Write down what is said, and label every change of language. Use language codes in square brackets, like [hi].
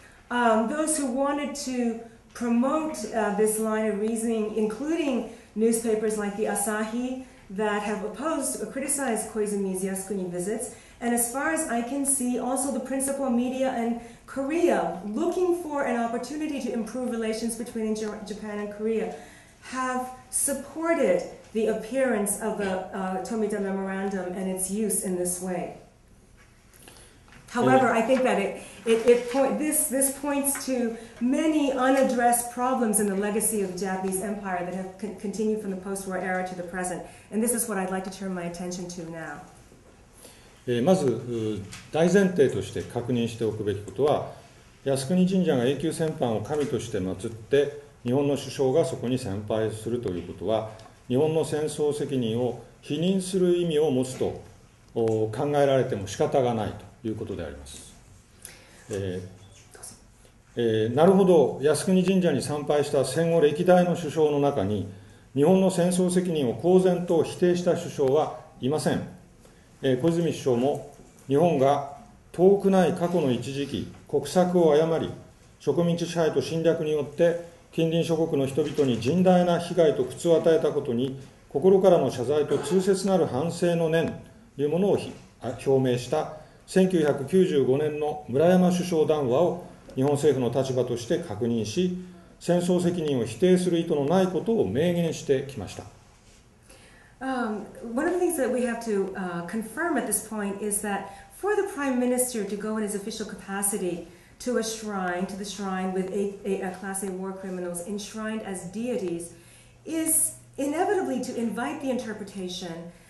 [en] Those who wanted to promote this line of reasoning, including newspapers like the Asahi that have opposed or criticized Koizumi's Yasukuni visits, and as far as I can see, also the principal media in Korea looking for an opportunity to improve relations between Japan and Korea have supported the appearance of the Tomita Memorandum and its use in this way. However, I think that this points to many unaddressed problems in the legacy of the Japanese Empire that have continued from the post-war era to the present. And this is what I'd like to turn my attention to now. [ja] まず大前提として確認しておくべきことは、靖国神社が永久戦犯を神として祀って日本の首相がそこに参拝するということは、日本の戦争責任を否認する意味を持つと考えられても仕方がないということであります。なるほど、靖国神社に参拝した戦後歴代の首相の中に日本の戦争責任を公然と否定した首相はいません。小泉首相も日本が遠くない過去の一時期国策を誤り植民地支配と侵略によって近隣諸国の人々に甚大な被害と苦痛を与えたことに心からの謝罪と痛切なる反省の念というものを表明した1995年の村山首相談話を日本政府の立場として確認し、戦争責任を否定する意図のないことを明言してきました。 [en] One of the things that we have to confirm at this point is that for the Prime Minister to go in his official capacity to a shrine, to the shrine with a Class A war criminals enshrined as deities, is inevitably to invite the interpretation